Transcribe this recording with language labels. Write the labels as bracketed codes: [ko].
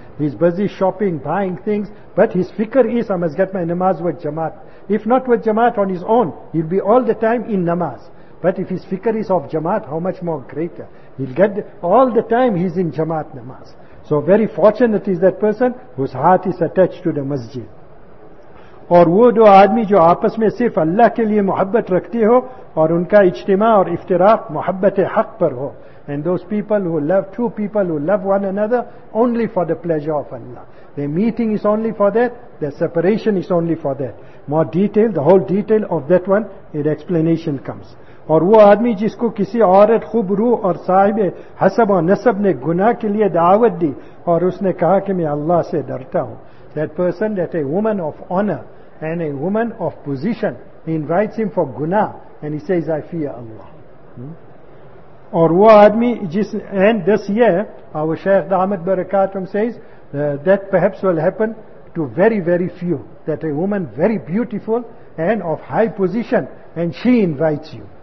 [en] He is busy shopping, buying things, but his fikr is, I must get my namaz with jamaat. If not with jamaat on his own, he'll be all the time in namaz. But if his fikr is of jamaat, how much more greater? He'll get all the time he's in jamaat namaz. So very fortunate is that person whose heart is attached to the masjid. [ur] اور وہ دو آدمی جو آپس میں صرف اللہ کے لیے محبت رکھتے ہو اور ان کا اجتماع اور افتراق محبت حق پر ہو. [en] And those people who love, two people who love one another only for the pleasure of Allah. Their meeting is only for that, their separation is only for that. More detail, the whole detail of that one, in explanation comes. [ur] اور وہ آدمی جس کو کسی عورت خوب روح اور صاحب حسب اور نسب نے گناہ کے لیے دعوت دی اور اس نے کہا کہ میں اللہ سے ڈرتا ہوں. [en] That person, that a woman of honor and a woman of position invites him for guna, and he says, I fear Allah. [ur] Or wo aadmi jis, [en] and this year, our Shaykh Ahmed Barakatum says, that perhaps will happen to very, very few, that a woman very beautiful and of high position, and she invites you.